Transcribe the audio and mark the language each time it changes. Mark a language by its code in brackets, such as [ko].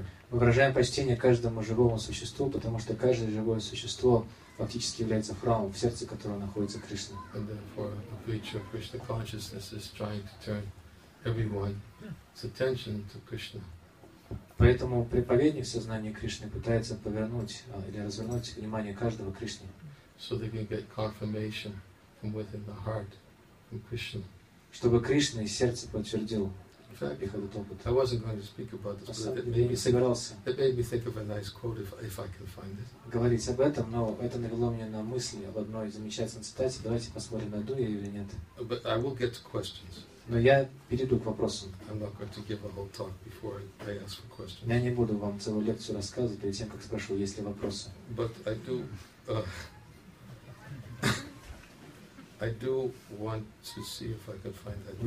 [ru] Мы выражаем почтение каждому живому существу, потому что каждое живое существо фактически является храмом, в сердце которого находится Кришна. [en] And therefore, a preacher of Krishna consciousness is trying to turn everyone's attention to Krishna. [ru] Поэтому проповедник сознания Кришны пытается повернуть или развернуть внимание каждого к Кришне. [en] So they can get confirmation from within the heart from Krishna. [ru] Чтобы Кришна из сердца подтвердил. [en] I wasn't going to speak about this, but it made me think of a nice quote if I can find it. [ru] Говорить об этом, но это навело меня на мысли об одной замечательной цитате. Давайте посмотрим, найду я ее или нет. [en] But I will get to questions. [ru] Но я перейду к вопросам. [en] I'm not going to give a whole talk before I ask for questions. [ru] Я не буду вам целую лекцию рассказывать перед тем, как спрошу, есть ли вопросы. [en] But I do. I do want to see if I can find that.